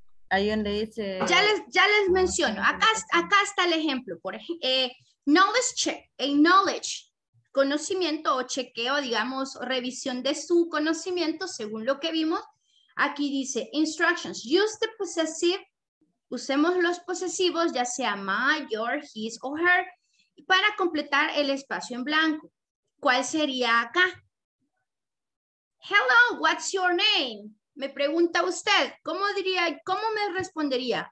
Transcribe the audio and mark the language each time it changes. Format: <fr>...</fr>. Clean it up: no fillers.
<es>Ahí donde dice... Ya les menciono. Acá está el ejemplo.</es> <en>Knowledge check. Acknowledge.</en> <es>Conocimiento o chequeo, digamos, revisión de su conocimiento según lo que vimos. Aquí dice</es> <en>instructions. Use the possessive.</en> <es>Usemos los posesivos, ya sea my, your, his o her. Para completar el espacio en blanco, ¿cuál sería acá?</es> <en>Hello, what's your name?</en> <es>Me pregunta usted, ¿cómo diría, cómo me respondería?</es>